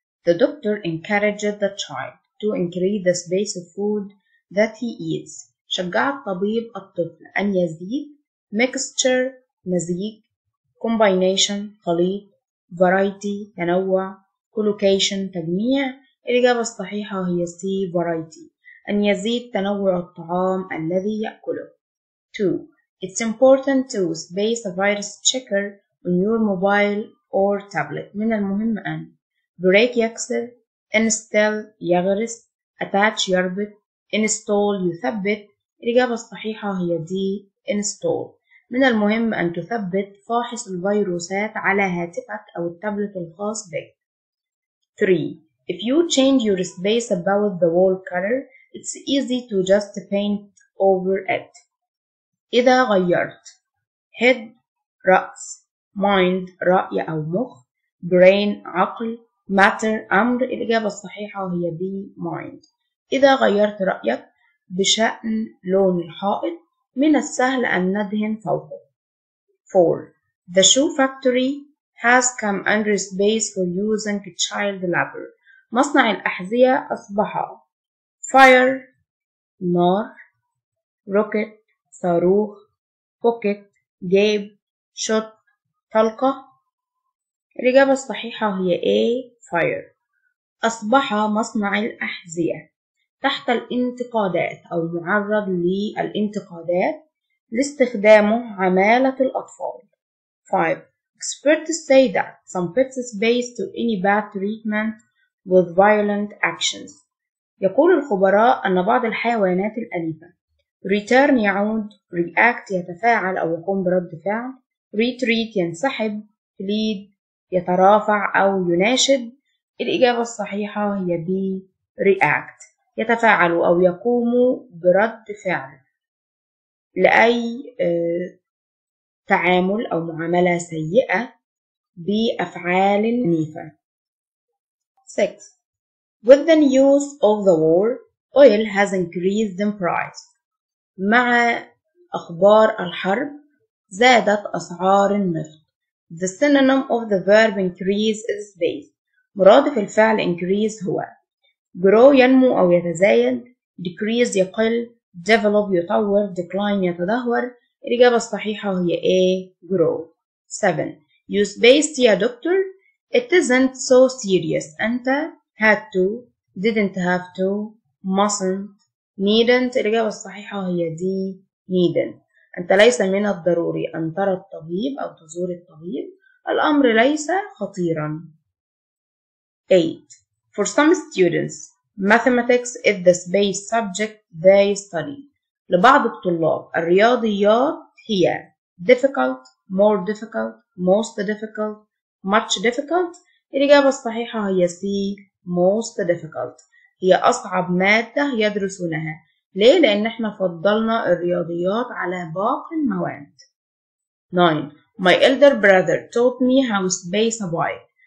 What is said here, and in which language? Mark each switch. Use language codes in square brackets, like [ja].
[en] The doctor encouraged the child to increase the space of food that he eats. [ar] شجع الطبيب الطفل أن يزيد mixture مزيج combination خليط variety تنوع collocation تجميع. الإجابة الصحيحة هي C variety، أن يزيد تنوع الطعام الذي يأكله. 2. [en] It's important to space a virus checker on your mobile or tablet. [ar] من المهم أن break يكسر install يغرس attach يربط install يثبت. الإجابة الصحيحة هي D install. من المهم أن تثبت فاحص الفيروسات على هاتفك أو التابلت الخاص بك. 3. [en] If you change your space about the wall color, it's easy to just paint over it. [ar] إذا غيرت head رأس mind رأي أو مخ brain عقل matter أمر. الإجابة الصحيحة هي B mind. إذا غيرت رأيك بشأن لون الحائط من السهل أن ندهن فوقه. [en] 4. The shoe factory has come under space for using child labor. [ar] مصنع الأحذية أصبح fire نار rocket صاروخ pocket جيب shot طلقة. الإجابة الصحيحة هي A fire. أصبح مصنع الأحذية تحت الانتقادات أو معرض للانتقادات لاستخدامه عمالة الأطفال. 5. [en] Experts say that some pets space to any bad treatment with violent actions. [ar] يقول الخبراء أن بعض الحيوانات الأليفة return يعود react يتفاعل أو يقوم برد فعل retreat ينسحب lead يترافع أو يناشد. الإجابة الصحيحة هي B react يتفاعل أو يقوم برد فعل لأي تعامل أو معاملة سيئة بأفعال عنيفة. 6. [en] With the news of the war, oil has increased in price. [ar] مع أخبار الحرب زادت أسعار النفط. [en] The synonym of the verb increase is base. [ar] مرادف الفعل increase هو grow ينمو أو يتزايد decrease يقل develop يطور decline يتدهور. الإجابة الصحيحة هي A grow. [en] 7. You spaced [ar] يا دكتور [en] it isn't so serious. [ar] أنت [en] had to didn't have to mustn't needn't. [ar] الإجابة الصحيحة هي D needn't. أنت ليس من الضروري أن ترى الطبيب أو تزور الطبيب، الأمر ليس خطيرا. 8. [en] For some students, mathematics is the space subject they study. [ar] لبعض الطلاب الرياضيات هي [en] difficult, more difficult, most difficult, much difficult. [ar] الإجابة الصحيحة هي C, most difficult. هي أصعب مادة يدرسونها. ليه؟ لأن احنا فضلنا الرياضيات على باقي المواد. 9. [en] My elder brother taught me how space a bike.